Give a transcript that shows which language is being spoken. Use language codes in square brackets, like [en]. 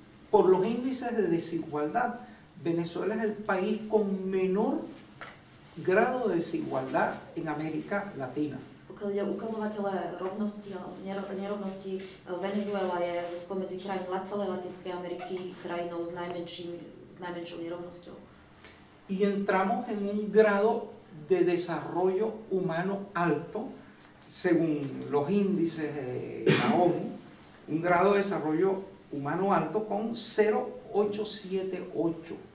[es] Por los índices de desigualdad, Venezuela es el país con menor grado de desigualdad en América Latina. [sk] Pokiaľ ide o ukazovatele rovnosti a nerovnosti, Venezuela je spomedzi krajín celej Latinskej Ameriky krajinou s najmenšou nerovnosťou. [es] Y entramos en un grado de desarrollo humano alto, según los índices de la ONU, un grado de desarrollo humano alto con 0,878.